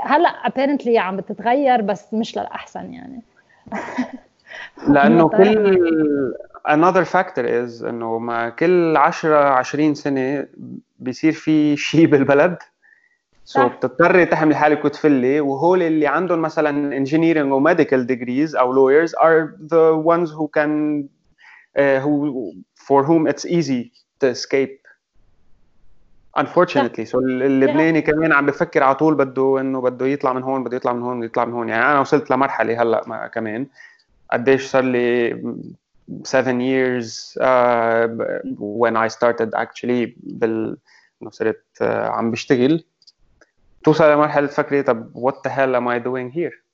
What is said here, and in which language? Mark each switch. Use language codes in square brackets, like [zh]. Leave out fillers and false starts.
[ar] هلأ apparently عم بتتغير بس مش للأحسن يعني. لأنه كل [en] another factor is [ar] أنه ما كل 10-20 سنة بيصير في شيء بالبلد so بتضطر تحمل حالك وتفلي. وهول اللي عندهم مثلا [en] engineering or medical degrees أو lawyers are the ones who can for whom it's easy to escape, unfortunately. [ar] So اللبناني كمان عم بفكر على طول بده يطلع من هون بده يطلع من هون. يعني أنا وصلت لمرحلة هلأ كمان قديش صار لي [en] 7 years when I started actually [ar] صرت عم بشتغل توصل لمرحلة تفكري طب [en] what the hell am I doing here؟